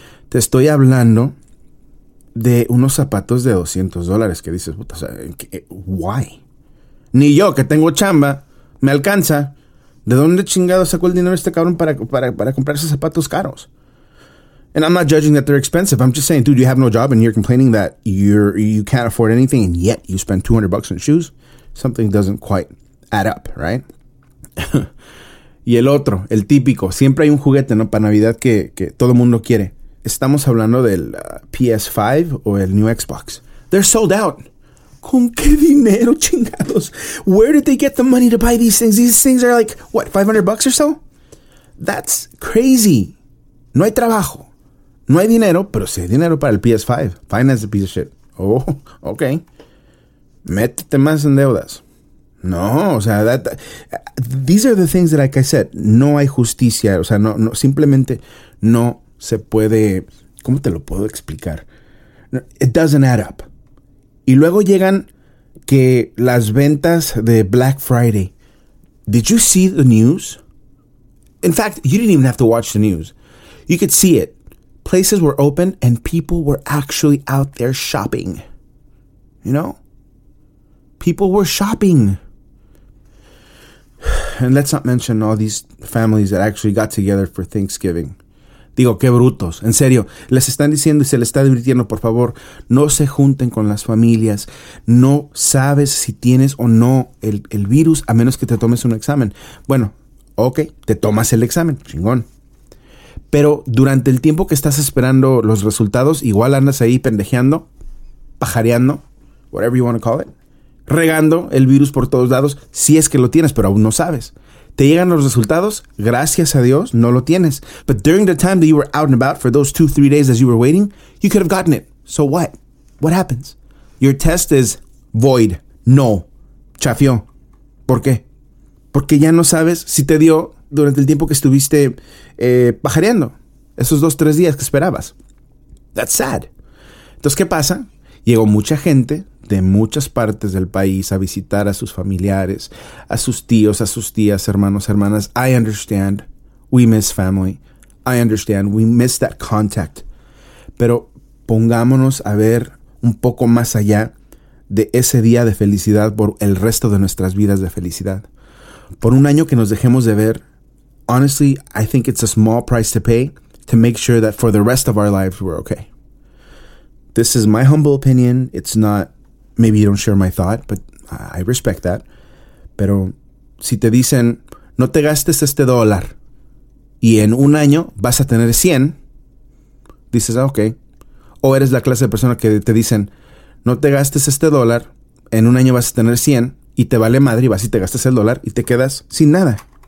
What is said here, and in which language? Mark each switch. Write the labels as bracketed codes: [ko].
[es] Te estoy hablando de unos zapatos de $200 que dices, puta, o sea, ¿qué? ¿Why? Ni yo, que tengo chamba, me alcanza. ¿De dónde chingado sacó el dinero este cabrón para comprar esos zapatos caros? [en] And I'm not judging that they're expensive. I'm just saying, dude, you have no job and you're complaining that you can't afford anything and yet you spend $200 on shoes. Something doesn't quite add up, right? [es] Y el otro, el típico. Siempre hay un juguete, ¿no? Para Navidad que todo mundo quiere. Estamos hablando del PS5 o el new Xbox. [en] They're sold out. [es] ¿Con qué dinero, chingados? [en] Where did they get the money to buy these things? These things are like, what, $500 or so? That's crazy. [es] No hay trabajo. No hay dinero, pero sí hay dinero para el PS5. [en] Finance the piece of shit. Oh, okay. [es] Métete más en deudas. No, o sea, [en] these are the things that, like I said, [es] no hay justicia. O sea, no simplemente no se puede... ¿Cómo te lo puedo explicar? [en] It doesn't add up. [es] Y luego llegan que las ventas de Black Friday. [en] Did you see the news? In fact, you didn't even have to watch the news. You could see it. Places were open and people were actually out there shopping. You know? People were shopping. And let's not mention all these families that actually got together for Thanksgiving. [es] Digo, qué brutos. En serio, les están diciendo y se les está advirtiendo, por favor, no se junten con las familias. No sabes si tienes o no el virus a menos que te tomes un examen. Bueno, ok, te tomas el examen. Chingón. Pero durante el tiempo que estás esperando los resultados, igual andas ahí pendejeando, pajareando, [en] whatever you want to call it, [es] regando el virus por todos lados, si es que lo tienes, pero aún no sabes. Te llegan los resultados, gracias a Dios, no lo tienes. [en] But during the time that you were out and about for those 2-3 days as you were waiting, you could have gotten it. So what? What happens? Your test is void. [es] No. Chafió. ¿Por qué? Porque ya no sabes si te dio durante el tiempo que estuviste pajareando. Esos 2-3 días que esperabas. [en] That's sad. [es] Entonces, ¿qué pasa? Llegó mucha gente de muchas partes del país a visitar a sus familiares, a sus tíos, a sus tías, hermanos, hermanas. [en] I understand. We miss family. I understand. We miss that contact. [es] Pero pongámonos a ver un poco más allá de ese día de felicidad por el resto de nuestras vidas de felicidad. Por un año que nos dejemos de ver, [en] honestly, I think it's a small price to pay to make sure that for the rest of our lives we're okay. This is my humble opinion. It's not, maybe you don't share my thought, but I respect that. [es] Pero si te dicen, no te gastes este dólar y en un año vas a tener 100, dices, ah, okay. O eres la clase de persona que te dicen, no te gastes este dólar, en un año vas a tener 100 y te vale madre y vas y te gastas el dólar y te quedas sin nada.